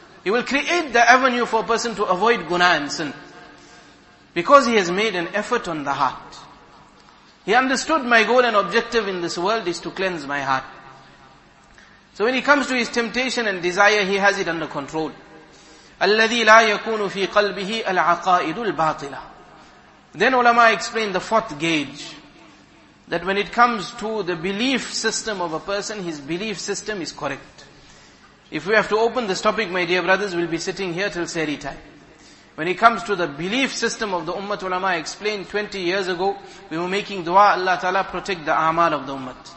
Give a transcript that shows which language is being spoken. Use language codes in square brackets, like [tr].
[en] He will create the avenue for a person to avoid guna and sin. Because he has made an effort on the heart. He understood my goal and objective in this world is to cleanse my heart. So when he comes to his temptation and desire, he has it under control. [ar] الَّذِي لَا يَكُونُ فِي قَلْبِهِ الْعَقَائِدُ الْبَاطِلَةِ [en] Then ulama explained the fourth gauge. That when it comes to the belief system of a person, his belief system is correct. If we have to open this topic, my dear brothers, we'll be sitting here till Sehri time. When it comes to the belief system of the ummah, ulama explained 20 years ago, we were making dua, Allah Ta'ala protect the a'mal of the ummah.